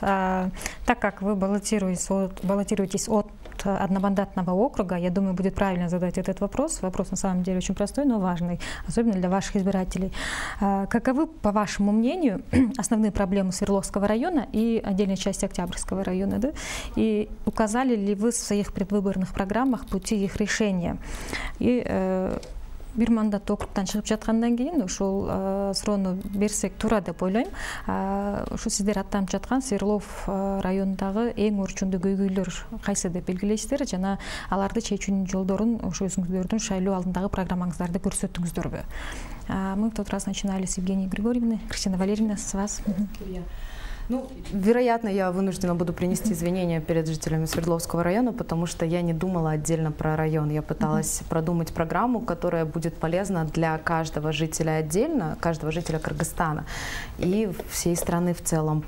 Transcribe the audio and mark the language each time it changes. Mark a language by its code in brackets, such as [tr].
[ru] Так как вы баллотируетесь от одномандатного округа, я думаю, будет правильно задать этот вопрос. Вопрос на самом деле очень простой, но важный, особенно для ваших избирателей. Каковы, по вашему мнению, основные проблемы Свердловского района и отдельной части Октябрьского района? Да? И указали ли вы в своих предвыборных программах пути их решения? [ky] И бир мандат округ танчыгып жаткандан кийин ушул суроону берсек туура деп ойлойм. Ушу сиздер аттанып жаткан Свердлов районундагы эң орчундуу көйгөйлөр кайсы деп белгилейсиздер жана аларды чечүүнүн жолдорун ошо өзүңүздөрдүн шайлоо алдындагы программаңыздарды көрсөттүңүздөрбү? [ru] Мы в тот раз начинали с Евгении Григорьевны. Кристина Валерьевна, с вас. Ну, вероятно, я вынуждена буду принести извинения перед жителями Свердловского района, потому что я не думала отдельно про район. Я пыталась продумать программу, которая будет полезна для каждого жителя отдельно, каждого жителя Кыргызстана и всей страны в целом.